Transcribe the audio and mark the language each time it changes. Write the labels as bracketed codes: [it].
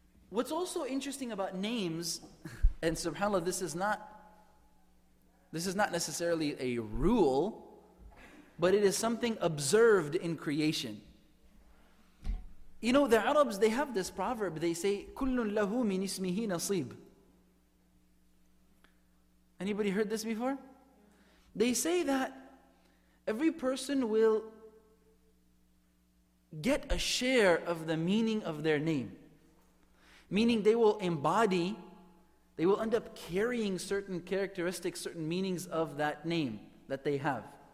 [en] What's also interesting about names, and subhanAllah, this is not necessarily a rule, but it is something observed in creation. You know, the Arabs, they have this proverb. They say, [ar] كُلٌّ لَهُ مِنْ إِسْمِهِ نَصِيبٌ. [en] Anybody heard this before? They say that every person will get a share of the meaning of their name. Meaning they will embody, they will end up carrying certain characteristics, certain meanings of that name that they have.